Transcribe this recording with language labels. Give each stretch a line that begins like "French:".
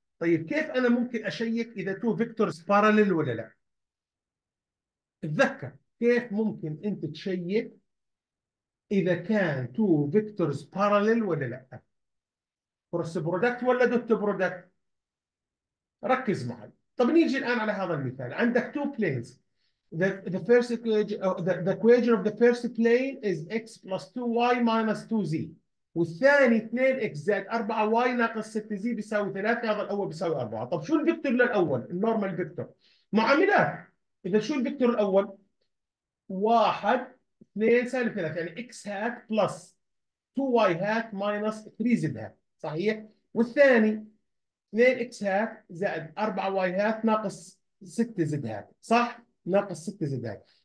Arabic: طيب كيف انا ممكن اشيك اذا
English: two vectors parallel
Arabic: ولا لا؟ تذكر كيف ممكن انت تشيك اذا كان تو فيكتورز بارلل ولا لا؟ كروس برودكت ولا دوت برودكت؟ ركز معي. طب نيجي الان على هذا المثال، عندك تو بلينز.
English: The first equation, the equation of the first plane is x plus 2y minus 2z.
Arabic: والثاني 2x زائد 4y ناقص 6z بيساوي 3، هذا الاول بيساوي 4. طب شو الفيكتور للاول؟ النورمال فيكتور معاملات. اذا شو الفيكتور الاول؟ واحد اثنين سالب ثلاثة يعني اكس هات بلس 2y هات ماينس 3z هات، صحيح؟ والثاني 2x هات زائد 4y هات ناقص 6z هات، صح؟ ناقص 6z هات.